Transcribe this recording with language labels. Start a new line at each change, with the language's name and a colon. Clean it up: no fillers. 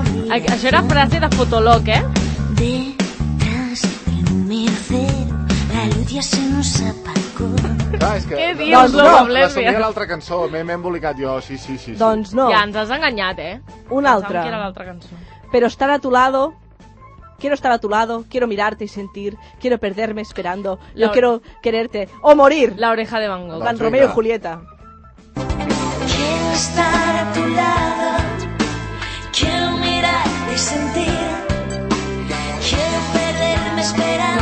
Catalan: Ah, això era frase de Fotolog, eh?
Spanish: Detrás del número cero, la luz ya se nos apagó.
Catalan: Què dius, no, l'Oblèvia? No, la sabia l'altra cançó, m'he embolicat jo, sí. Doncs no. Ja ens has enganyat, eh? Una altra. Pensàvem que era l'altra cançó.
Spanish: Pero estar a tu lado, quiero estar a tu lado, quiero mirarte y sentir, quiero perderme esperando, yo quiero quererte, o morir. La oreja de Van Gogh. Con Romeo y Julieta. Quiero estar a tu lado, quiero mirarte y sentir, quiero perderme esperando.